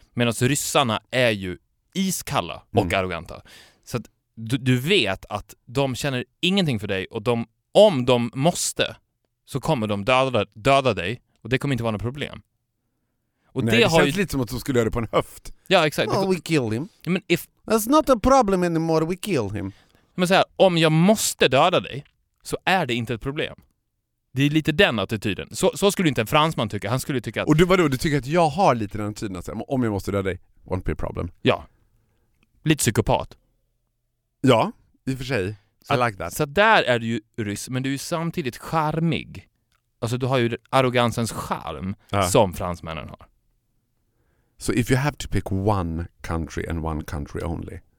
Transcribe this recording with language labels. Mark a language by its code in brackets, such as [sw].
[sv] Medan ryssarna är ju iskalla och arroganta. Så att du vet att de känner ingenting för dig, och de, om de måste, så kommer de döda dig, och det kommer inte vara något problem. Och nej, det har känns ju... lite som att de skulle göra det på en höft. Ja, exakt. [en] Oh, we kill him. I mean, if... That's not a problem anymore, we kill him. [sv] Men så här, om jag måste döda dig så är det inte ett problem. Det är lite den attityden. Så skulle inte en fransman tycka. Han skulle tycka att... Och du tycker att jag har lite den attityden att säga, om jag måste döda dig, [en] won't be a problem. [sv] Ja. Lite psykopat. Ja, i och för sig. Så, [en] I like that. [sv] Så där är du ju ryss, men du är ju samtidigt charmig. Alltså du har ju arrogansens charm som fransmännen har. [en] So if you have to pick one country and one country only.